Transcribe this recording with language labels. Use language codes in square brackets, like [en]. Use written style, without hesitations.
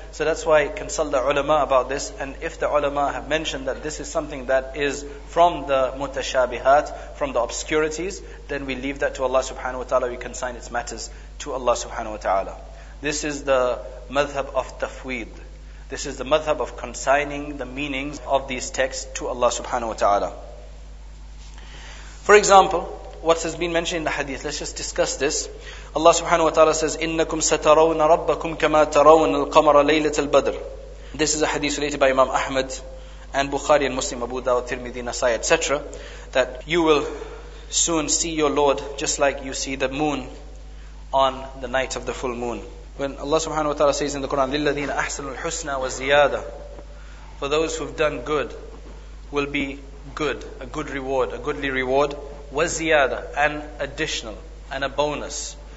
[en] So that's why consult the ulama about this, and if the ulama have mentioned that this is something that is from the mutashabihat, from the obscurities, then we leave that to Allah subhanahu wa ta'ala, we consign its matters to Allah subhanahu wa ta'ala. This is the madhab of tafweed. This is the madhab of consigning the meanings of these texts to Allah subhanahu wa ta'ala. For example, what has been mentioned in the hadith, let's just discuss this. Allah subhanahu wa ta'ala says, [ar] إِنَّكُمْ سَتَرَوْنَ رَبَّكُمْ كَمَا تَرَوْنَ الْقَمَرَ لَيْلَةَ الْبَدْرِ. [en] This is a hadith related by Imam Ahmad and Bukhari and Muslim, Abu Dawud, Tirmidhi, Nasai, etc. That you will soon see your Lord just like you see the moon on the night of the full moon. When Allah subhanahu wa ta'ala says in the Quran, [ar] لِلَّذِينَ أَحْسَنُوا الْحُسْنَى وَالزِّيَادَ, [en] for those who've done good, will be good, a good reward, a goodly reward, وَالزِّيَادَ, an additional, and a bonus.